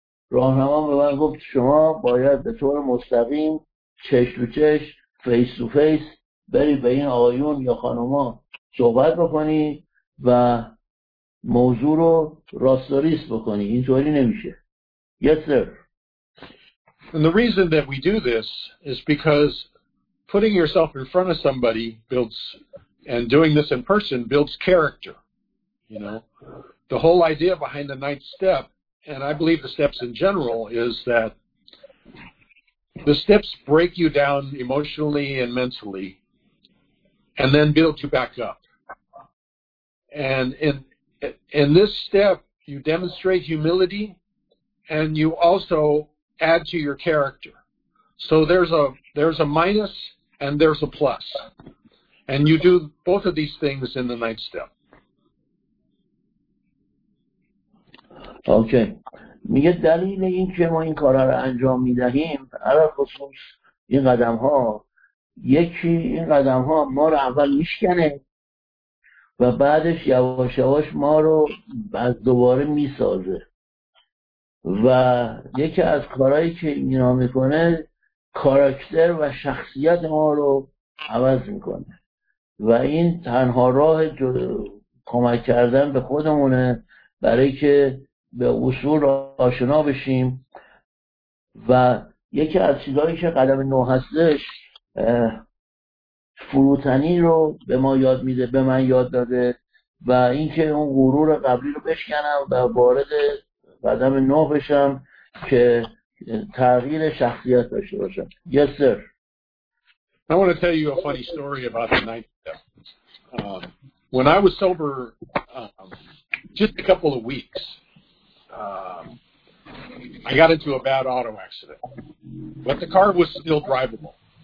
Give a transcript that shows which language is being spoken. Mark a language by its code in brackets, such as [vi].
[fa] راهنما به من گفت شما باید به طور مستقیم چش تو چش فیس تو فیس بری به این آقایون یا خانوما صحبت بکنی و موضوع رو راست و ریست بکنی. اینطوری نمیشه. [en] Yes sir. And the reason that we do this is because putting yourself in front of somebody builds, and doing this in person builds character. You know, the whole idea behind the ninth step, and I believe the steps in general, is that the steps break you down emotionally and mentally and then build you back up. And in this step, you demonstrate humility, and you also add to your character. So there's a minus, and there's a plus. And you do both of these things in the ninth step. Okay. [fa] میگه دلیل این که ما این کارها رو انجام میدهیم، علی خصوص این قدم‌ها، یکی این قدم‌ها ما رو اول میشکنه و بعدش یواش یواش ما رو از دوباره میسازه و یکی از کارهایی که اینا میکنه کاراکتر و شخصیت ما رو عوض میکنه و این تنها راه کمک کردن به خودمونه برای که به اصول آشنا بشیم. و یکی از چیزهایی که قدم نو هستش فروتنی رو به ما یاد میده، به من یاد داده، و اینکه اون غرور قبلی رو بشکنم و وارد قدم نو بشم که تغییر شخصیت داشته باشم. [en] Yes sir. I want to tell you a funny story about the ninth step. When I was sober just a couple of weeks, I got into a bad auto accident. But the car was still drivable.